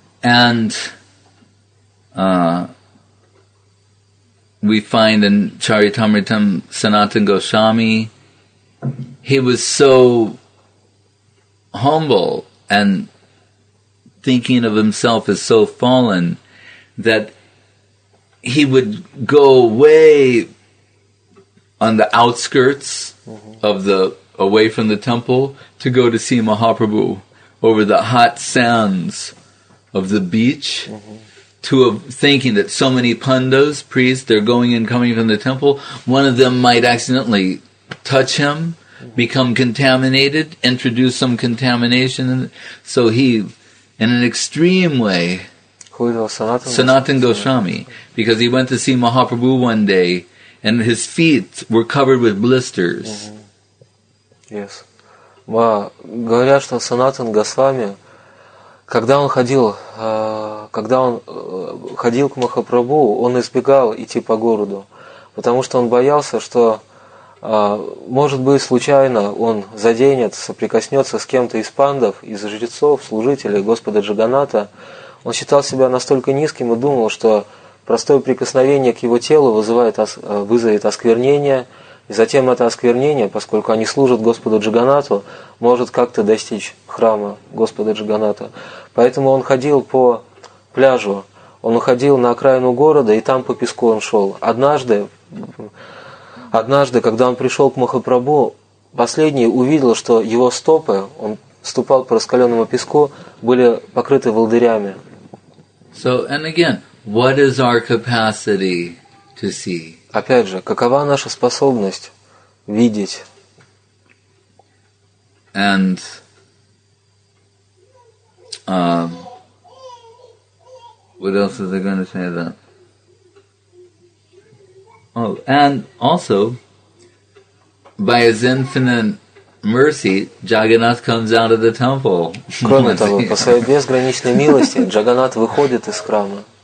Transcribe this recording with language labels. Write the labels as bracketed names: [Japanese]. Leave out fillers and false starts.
[English] And we find in Charitamritam Sanatana Goswami, he was so humble and thinking of himself as so fallen that he would go away on the outskirts of the away from the temple to go to see Mahaprabhu over the hot sands of the beach to thinking that so many pandas, priests, they're going and coming from the temple, one of them might accidentally touch him, become contaminated, introduce some contamination. So he, in an extreme way, Sanatana Goswami, because he went to see Mahaprabhu one day and his feet were covered with blisters. Yes. [Russian] Говорят, что Санатан Госвами, когда он ходил к Махапрабху, он избегал идти по городу, потому что он боялся, что может быть, случайно он заденет, соприкоснется с кем-то из пандов, из жрецов, служителей Господа Джаганата. Он считал себя настолько низким и думал, что простое прикосновение к его телу вызовет осквернение, и затем это осквернение, поскольку они служат Господу Джаганату, может как-то достичь храма Господа Джаганата. Поэтому он ходил по пляжу, он уходил на окраину города, и там по песку он шел. Однажды, когда он пришел к Махапрабху, последний увидел, что его стопы, он ступал по раскаленному песку, были покрыты волдырями. [English] So, and again, what is our capacity to see? [Russian] Опять же, какова наша способность видеть? [English] And what else are they going to say then? Oh, and also, by His infinite mercy, Jagannath comes out of the temple. [Russian] Кроме того, по своей безграничной милости Джаганнат выходит из храма.